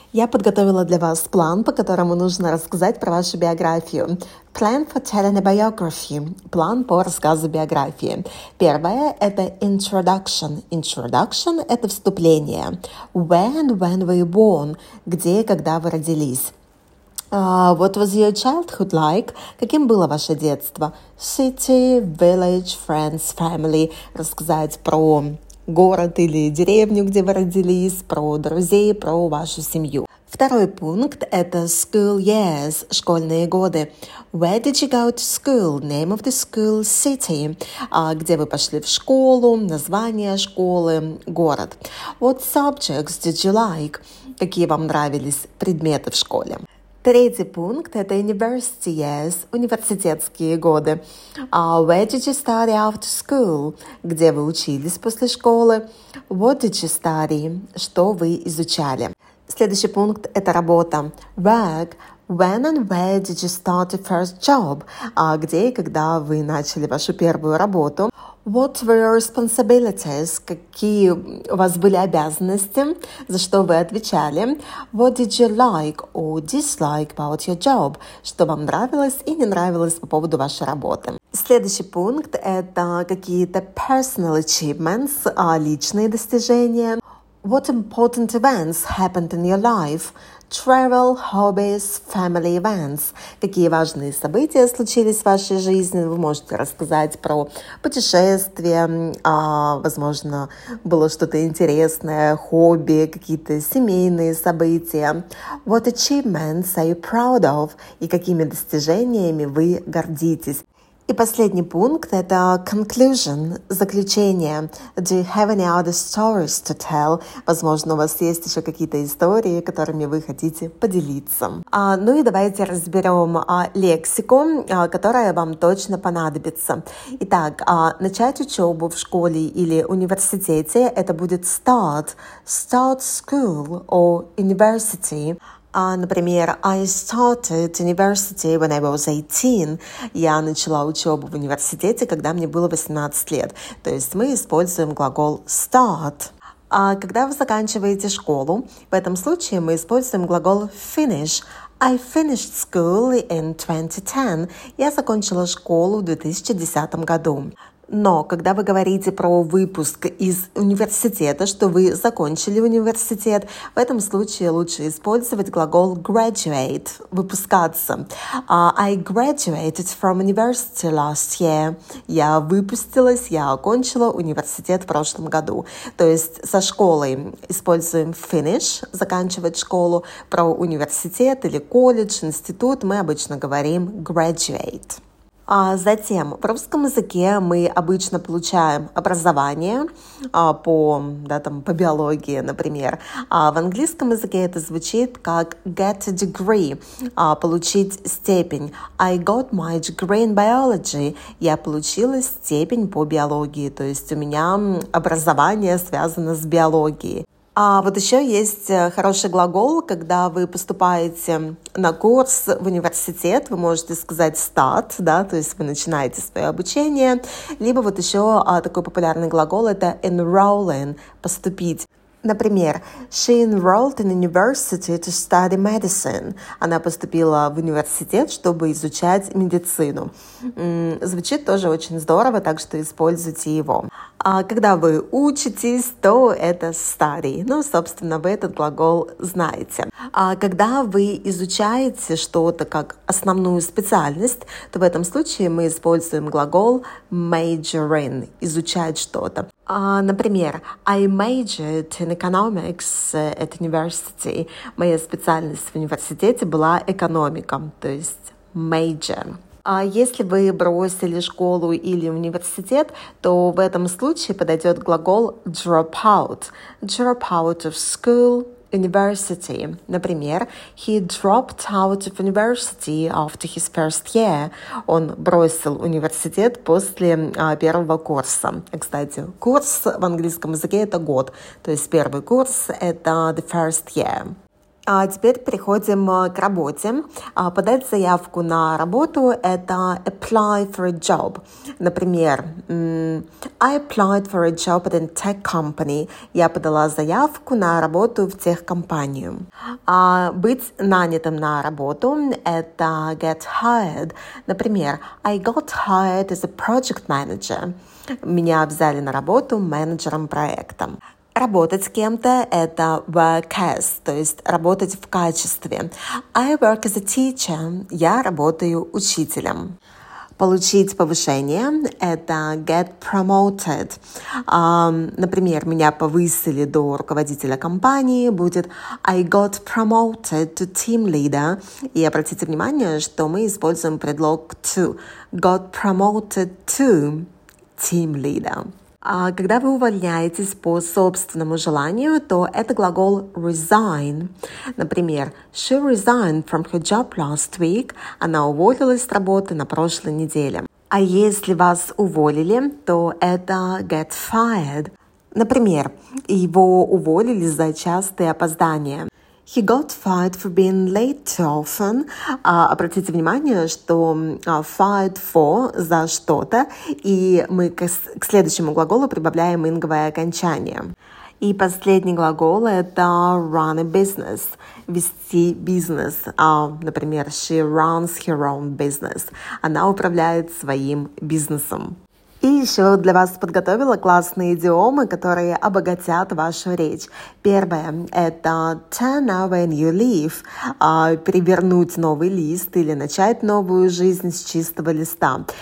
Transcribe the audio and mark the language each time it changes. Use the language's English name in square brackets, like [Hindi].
[Russian] Я подготовила для вас план, по которому нужно рассказать про вашу биографию. [English] Plan for telling a biography. [Russian] План по рассказу биографии. Первое – это introduction. Introduction – это вступление. [English] When were you born? [Russian] Где и когда вы родились? [English] What was your childhood like? [Russian] Каким было ваше детство? [English] City, village, friends, family. [Russian] Рассказать про город или деревню, где вы родились, про друзей, про вашу семью. Второй пункт – это [English] school years, [Russian] школьные годы. [English] Where did you go to school? Name of the school, city. [Russian] Где вы пошли в школу, название школы, город. [English] What subjects did you like? [Russian] Какие вам нравились предметы в школе. Третий пункт – это [English] university years, [Russian] университетские годы. [English] Where did you study after school? [Russian] Где вы учились после школы? [English] What did you study? [Russian] Что вы изучали? Следующий пункт – это работа. [English] Work. When and where did you start your first job? [Russian] Где и когда вы начали вашу первую работу? [English] What were your responsibilities? [Russian] Какие у вас были обязанности? За что вы отвечали? [English] What did you like or dislike about your job? [Russian] Что вам нравилось и не нравилось по поводу вашей работы? Следующий пункт – это какие-то [English] personal achievements, [Russian] личные достижения. [English] What important events happened in your life? Travel, hobbies, family events. [Russian] Какие важные события случились в вашей жизни? Вы можете рассказать про путешествия, возможно, было что-то интересное, хобби, какие-то семейные события. [English] What achievements are you proud of? [Russian] И какими достижениями вы гордитесь? И последний пункт – это conclusion, заключение. [English] Do you have any other stories to tell? [Russian] Возможно, у вас есть еще какие-то истории, которыми вы хотите поделиться. Ну и давайте разберем лексику, которая вам точно понадобится. Итак, начать учебу в школе или университете – это будет start. [English] Start school or university. Например, I started university when I was 18. [Russian] Я начала учебу в университете, когда мне было 18 лет. То есть мы используем глагол start. А когда вы заканчиваете школу, в этом случае мы используем глагол finish. [English] I finished school in 2010. [Russian] Я закончила школу в 2010 году. Но когда вы говорите про выпуск из университета, что вы закончили университет, в этом случае лучше использовать глагол graduate, выпускаться. [English] I graduated from university last year. [Russian] Я выпустилась, я окончила университет в прошлом году. То есть со школой используем finish, заканчивать школу. Про университет или колледж, институт мы обычно говорим graduate. А затем в русском языке мы обычно получаем образование по биологии, например. А в английском языке это звучит как [English] get a degree, [Russian] получить степень. [English] I got my degree in biology. [Russian] Я получила степень по биологии, то есть у меня образование связано с биологией. А вот еще есть хороший глагол, когда вы поступаете на курс в университет, вы можете сказать start, да, то есть вы начинаете свое обучение. Либо вот еще такой популярный глагол – это enrolling, поступить. [English] Например, she enrolled in university to study medicine. [Russian] Она поступила в университет, чтобы изучать медицину. Звучит тоже очень здорово, так что используйте его. А когда вы учитесь, то это study. Ну, собственно, вы этот глагол знаете. А когда вы изучаете что-то как основную специальность, то в этом случае мы используем глагол [English] major in, [Russian] изучать что-то. [English] Например, I majored in economics at university. [Russian] Моя специальность в университете была экономика, то есть major. А если вы бросили школу или университет, то в этом случае подойдет глагол [English] drop out. Drop out of school, university. Например, he dropped out of university after his first year. [Russian] Он бросил университет после первого курса. Кстати, курс в английском языке – это год. То есть первый курс – это [English] the first year. [Russian] Теперь переходим к работе. Подать заявку на работу – это [English] apply for a job. Например, I applied for a job at a tech company. [Russian] Я подала заявку на работу в техкомпанию. Быть нанятым на работу – это [English] get hired. Например, I got hired as a project manager. [Russian] Меня взяли на работу менеджером проекта. Работать с кем-то – это [English] work as, [Russian] то есть работать в качестве. [English] I work as a teacher. [Russian] Я работаю учителем. Получить повышение – это [English] get promoted. [Russian] Например, меня повысили до руководителя компании, будет [English] I got promoted to team leader. [Russian] И обратите внимание, что мы используем предлог to. [English] Got promoted to team leader. [Russian] Когда вы увольняетесь по собственному желанию, то это глагол resign. [English] Например, she resigned from her job last week. [Russian] Она уволилась с работы на прошлой неделе. А если вас уволили, то это [English] get fired. [Russian] Например, его уволили за частые опоздания. [English] He got fired for being late too often. [Russian] Обратите внимание, что [English] fired for [Russian] – за что-то, и мы к следующему глаголу прибавляем инговое окончание. И последний глагол – это [English] run a business [Russian] – вести бизнес. [English] Например, she runs her own business. [Russian] Она управляет своим бизнесом. И еще для вас подготовила классные идиомы, которые обогатят вашу речь. Первое – это [English] turn over a new leaf [Russian] – перевернуть новый лист или начать новую жизнь с чистого листа.